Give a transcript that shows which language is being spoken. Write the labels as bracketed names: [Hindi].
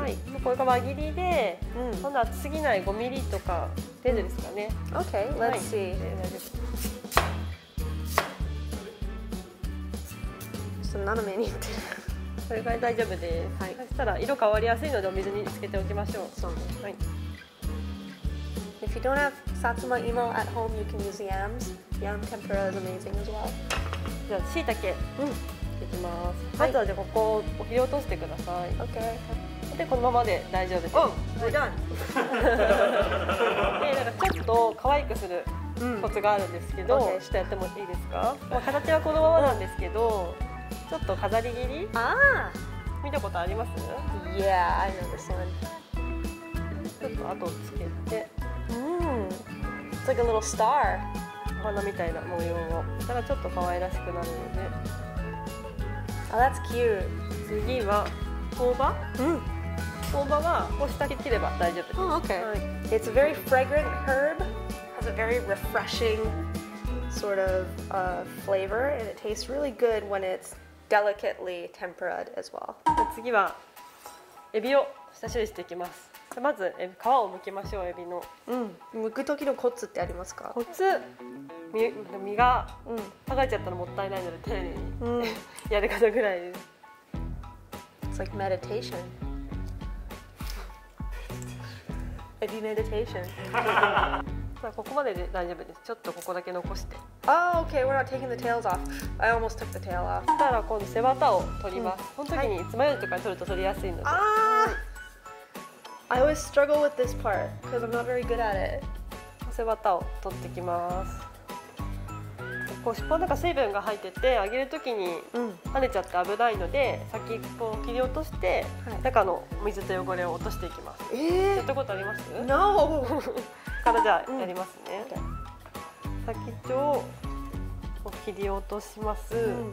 [Japanese] はい。これが輪切りで、今度は次ない5ミリとか程度ですかね。 [English] Okay. Let's see. [Japanese] ちょっと斜めにいってる。それぐらい大丈夫です、はい、そしたら色変わりやすいのでお水につけておきましょう。そうね、はい、 [English] If you don't have satsuma imo at home, you can use yams. Yam tempura is amazing as well. [Japanese] じゃあ椎茸、いきます、はい、まずはじゃあここを切り落としてください。 [English] OK、 [Japanese] はい、でこのままで大丈夫です。 [English] Oh! We're done! [Japanese] で、なんかちょっと可愛くするコツがあるんですけど、うん、ちょっとやってもいいですか。まあ、形はこのままなんですけど、ちょっと飾り切り、見たことあります？ [English] Yeah, I know this one. [Japanese] ちょっと後をつけて、 [English] It's like a little star. [Japanese] お花みたいな模様を。したらちょっと可愛らしくなるので。 [English] Oh, that's cute. [Japanese] 次は、大葉？大葉は、こうしたり切れば大丈夫です。 [English] Oh, okay. はい、 It's a very fragrant herb. Has a very refreshing sort of, flavor. And it tastes really good when it'sDelicately tempered as well. [Japanese] 次はエビを下処理していきます。まず皮を剥きましょう。エビの。剥く時のコツってありますか？コツ、身が剥がれちゃったらもったいないので丁寧に、やる方ぐらいです。 [English] It's like meditation. エビ meditation. [Japanese] ここまでで大丈夫です。ちょっとここだけ残して。 [English] Oh, okay. We're not taking the tails off. I almost took the tail off. [Japanese] したら今度背わたを取ります。この時に爪楊枝とか取ると取りやすいので。 [English] I always struggle with this part because I'm not very good at it. [Japanese] 背わたを取ってきます。こう尻尾の中水分が入ってて揚げる時に跳ねちゃって危ないので、先っぽを切り落として、中の水と汚れを落としていきます。やったことあります [English] ？No. [Japanese] からじゃあやりますね。先っちょを切り落とします。